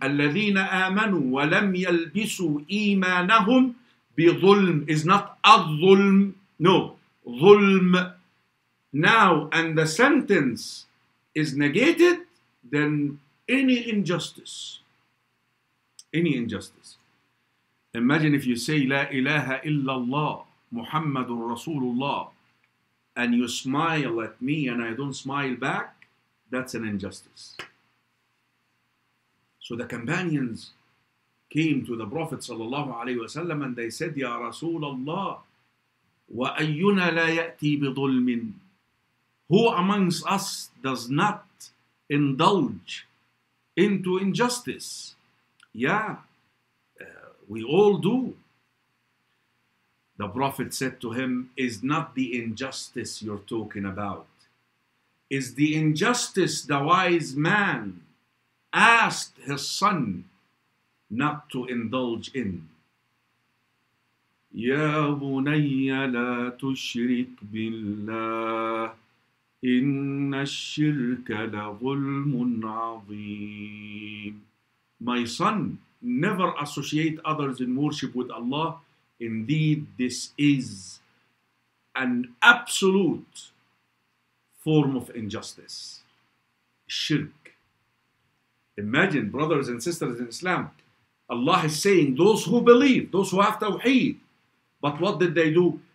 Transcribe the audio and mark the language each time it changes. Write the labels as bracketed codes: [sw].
[ar] الذين آمنوا ولم يلبسوا إيمانهم بظلم [en] is not a [ar] ظلم. [en] No. ظلم. Now, and the sentence is negated, then any injustice. Any injustice. Imagine if you say, [ar] لا إله إلا الله, محمد رسول الله, [en] and you smile at me and I don't smile back, that's an injustice. So the companions came to the Prophet [ar] صلى الله عليه وسلم [en] and they said, [ar] يا رسول الله, وأينا لا يأتي بظلم. [en] Who amongst us does not indulge into injustice? Yeah, we all do. The Prophet said to him, is not the injustice you're talking about. Is the injustice the wise man asked his son not to indulge in? [ar] يا بني لا تشرك بالله إن الشرك لظلم عظيم. [en] My son, never associate others in worship with Allah. Indeed, this is an absolute form of injustice. Shirk. Imagine, brothers and sisters in Islam, Allah is saying, those who believe, those who have tawheed, but what did they do?